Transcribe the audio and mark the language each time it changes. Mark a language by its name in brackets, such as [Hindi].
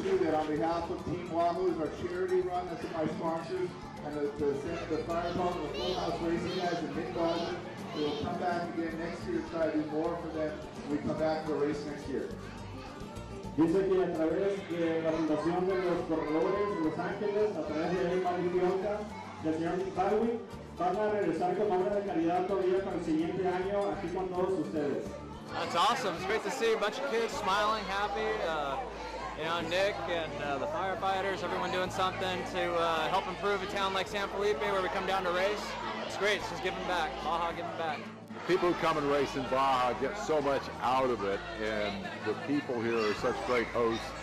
[English] On behalf of Team Wahoo is our charity run. That's my sponsor. And the Fireball, the Full House Racing guys in Big Baja, we will come back again next year to try to do more for them when we come back for a race next year. [Spanish] Dice que a través de la Fundación de los Corredores de Los Ángeles, a través de Emma Lidionca, del señor Darwin, van a regresar con obra de caridad todavía para el siguiente año aquí con todos ustedes. [English] That's awesome. It's great to see a bunch of kids smiling, happy. Nick and the firefighters, everyone doing something to help improve a town like San Felipe where we come down to race. It's great. It's just giving back. Baja giving back. The people who come and race in Baja get so much out of it, and the people here are such great hosts.